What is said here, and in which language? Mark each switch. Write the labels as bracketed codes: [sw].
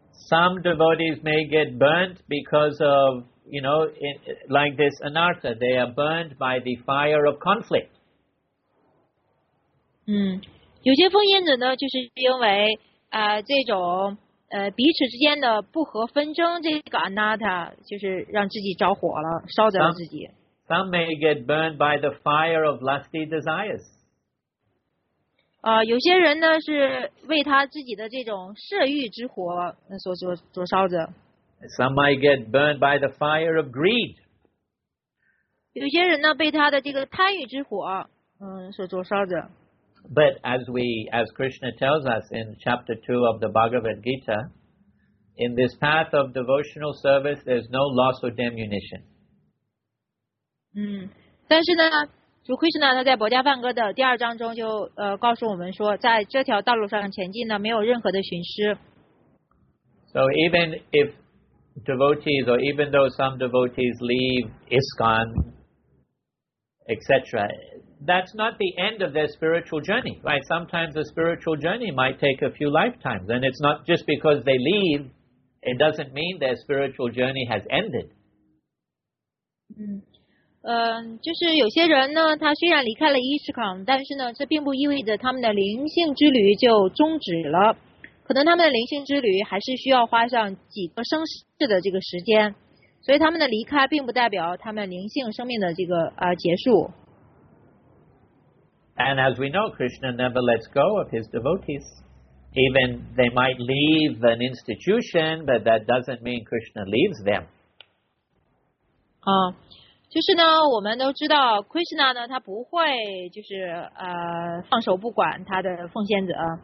[en] Some devotees may get burnt because of, you know, like this anartha, they are burnt by the fire of conflict. [zh] 有些奉献者呢，就是因为这种彼此之间的不和纷争，这个 anatta 就是让自己着火了，烧着了自己。 [en] Some may get burned by the fire of lusty desires. [zh] 有些人呢是为他自己的这种色欲之火所烧着。 [en] Some may get burned by the fire of greed. [zh] 有些人呢被他的这个贪欲之火所灼烧着。 [en] But as Krishna tells us in chapter 2 of the Bhagavad Gita, in this path of devotional service, there's no loss or diminution. [zh] 但是呢，主 Krishna 他在《薄伽梵歌》的第二章中就告诉我们说，在这条道路上前进呢，没有任何的损失。 [en] So even if devotees, or even though some devotees leave ISKCON, etc., that's not the end of their spiritual journey, right? Sometimes a spiritual journey might take a few lifetimes, and it's not just because they leave, it doesn't mean their spiritual journey has ended. [zh] 就是有些人呢，他虽然离开了伊什康，但是呢，这并不意味着他们的灵性之旅就终止了。可能他们的灵性之旅还是需要花上几个生世的这个时间，所以他们的离开并不代表他们灵性生命的这个结束。 [en] And as we know, Krishna never lets go of his devotees. Even they might leave an institution, but that doesn't mean Krishna leaves them. [zh] 就是呢，我们都知道 Krishna 呢，他不会就是放手不管他的奉献者。